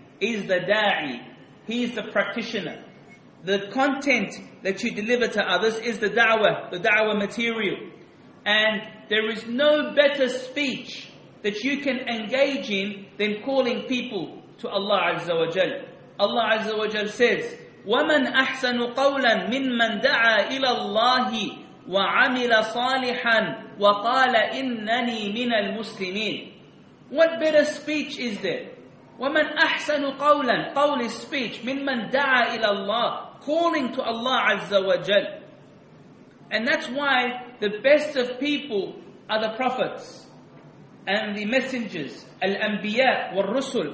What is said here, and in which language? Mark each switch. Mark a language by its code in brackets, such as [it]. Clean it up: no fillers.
[en] Is the da'i. He is the practitioner. The content that you deliver to others is the da'wah material. And there is no better speech that you can engage in than calling people to Allah Azza wa Jal. Allah Azza wa Jal says, [ar] وَمَنْ أَحْسَنُ قَوْلًا مِّمَّنْ دَعَى إِلَى اللَّهِ وَعَمِلَ صَالِحًا وَقَالَ إِنَّنِي مِنَ الْمُسْلِمِينَ. [en] What better speech is there? [ar] وَمَنْ أَحْسَنُ قَوْلًا, قول [en] is speech, [ar] مِّمَّنْ دَعَى إِلَى اللَّهِ, [en] calling to Allah Azza wa Jal. And that's why the best of people are the prophets and the messengers, [ar] al-anbiya wal-rusul.